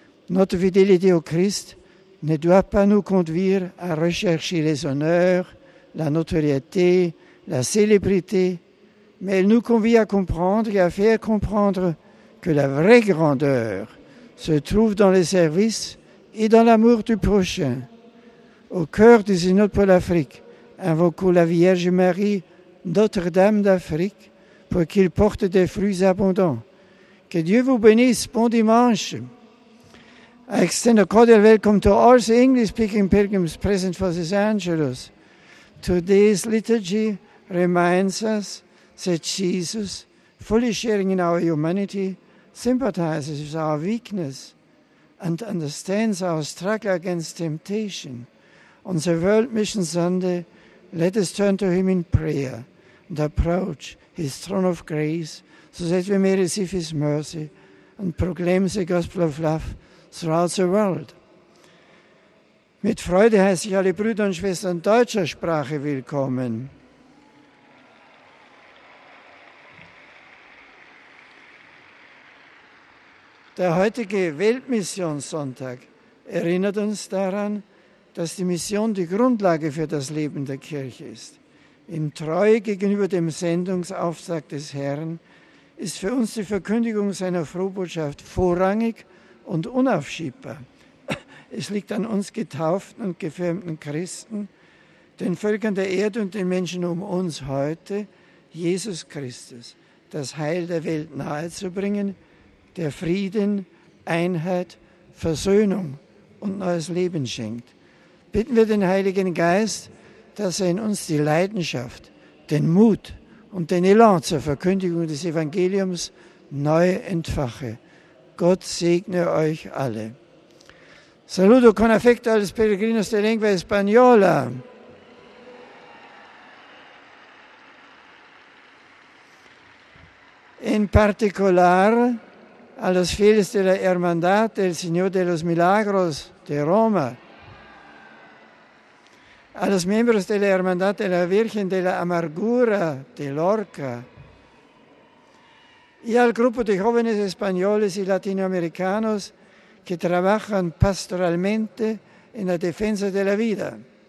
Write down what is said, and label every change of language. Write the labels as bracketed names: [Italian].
[French] Notre fidélité au Christ ne doit pas nous conduire à rechercher les honneurs, la notoriété, la célébrité, mais elle nous convie à comprendre et à faire comprendre que la vraie grandeur se trouve dans les services et dans l'amour du prochain. Au cœur du Synode pour l'Afrique, invoquons la Vierge Marie, Notre-Dame d'Afrique, pour qu'il porte des fruits abondants. Que Dieu vous bénisse. Bon dimanche. [English] I extend a cordial welcome to all the English-speaking pilgrims present for this Angelus. Today's liturgy reminds us that Jesus, fully sharing in our humanity, sympathizes with our weakness and understands our struggle against temptation. On the World Mission Sunday, let us turn to him in prayer and approach his throne of grace so that we may receive his mercy and proclaim the gospel of love throughout the world. [German] Mit Freude heiße ich alle Brüder und Schwestern deutscher Sprache willkommen. Der heutige Weltmissionssonntag erinnert uns daran, dass die Mission die Grundlage für das Leben der Kirche ist. In Treue gegenüber dem Sendungsauftrag des Herrn ist für uns die Verkündigung seiner Frohbotschaft vorrangig und unaufschiebbar. Es liegt an uns getauften und gefirmten Christen, den Völkern der Erde und den Menschen um uns heute, Jesus Christus, das Heil der Welt nahezubringen, der Frieden, Einheit, Versöhnung und neues Leben schenkt. Bitten wir den Heiligen Geist, dass er in uns die Leidenschaft, den Mut und den Elan zur Verkündigung des Evangeliums neu entfache. Gott segne euch alle. [Spanish] Saludo con affetto a los peregrinos de lengua española. [English] In particular, [Spanish] a los fieles de la Hermandad del Señor de los Milagros de Roma, a los miembros de la Hermandad de la Virgen de la Amargura de Lorca, y al grupo de jóvenes españoles y latinoamericanos que trabajan pastoralmente en la defensa de la vida.